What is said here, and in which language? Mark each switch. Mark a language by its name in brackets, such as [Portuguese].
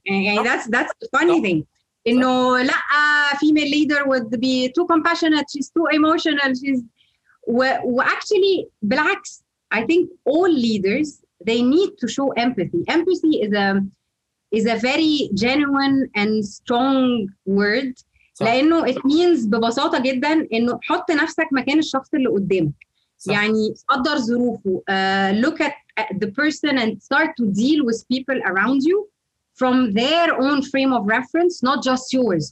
[English] And that's the funny thing. You know, a female leader would be too compassionate, she's too emotional, she's... Actually, blacks, I think all leaders, they need to show empathy. Empathy is a very genuine and strong word. [Arabic] لأنه [English] it means [Arabic] ببساطة جداً إنه حط نفسك مكان الشخص اللي قدامك. يعني قدر ظروفه, [English] look at the person and start to deal with people around you from their own frame of reference, not just yours.